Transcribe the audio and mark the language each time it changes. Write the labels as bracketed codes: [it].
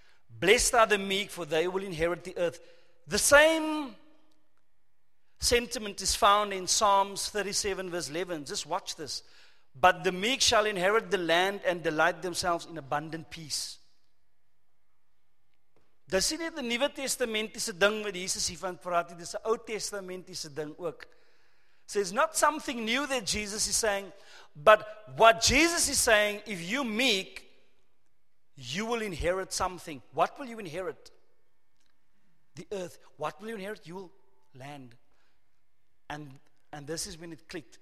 [en] Blessed are the meek, for they will inherit the earth. The same sentiment is found in Psalms 37 verse 11. Just watch this. But the meek shall inherit the land and delight themselves in abundant peace. [af] Dis nie die Nuwe Testamentiese ding wat Jesus hiervan praat nie, dis 'n Ou Testamentiese ding ook. [en] So it's not something new that Jesus is saying, but what Jesus is saying, if you're meek, you will inherit something. What will you inherit? The earth. What will you inherit? You will land. And this is when it clicked.